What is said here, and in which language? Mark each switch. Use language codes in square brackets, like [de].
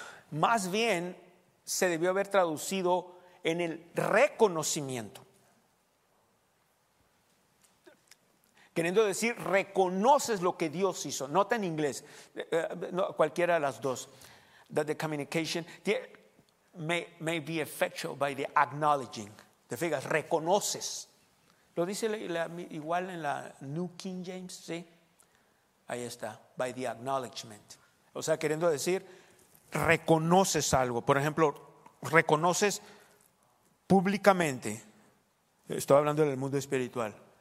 [es] Más bien se debió haber traducido en el reconocimiento. Queriendo decir, reconoces lo que Dios hizo. Nota en inglés, no, cualquiera de las dos. [en] That the communication may be effectual by the acknowledging. [es] Te fijas, reconoces. Lo dice igual en la New King James, ¿sí? Ahí está, [en] by the acknowledgement. [es] O sea, queriendo decir, reconoces algo. Por ejemplo, reconoces públicamente. Estoy hablando del mundo espiritual.